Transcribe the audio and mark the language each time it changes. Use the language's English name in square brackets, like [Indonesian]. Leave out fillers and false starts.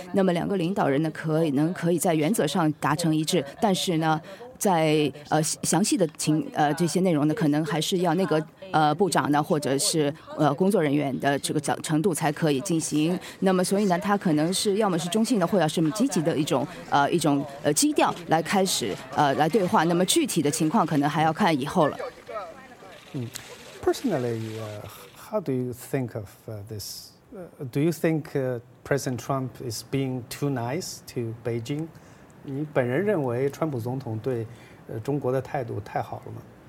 [Chinese] 那么两个领导人呢可以在原则上达成一致，但是呢在详细的这些内容呢，可能还是要那个部长呢，或者是工作人员的这个程度才可以进行。那么所以呢，他可能是要么是中性的，或者是积极的一种基调来开始来对话。那么具体的情况可能还要看以后了。 [English] Personally, how do you think of this? Do you think President Trump is being too nice to Beijing? [Chinese] 你本人认为川普总统对中国的态度太好了吗？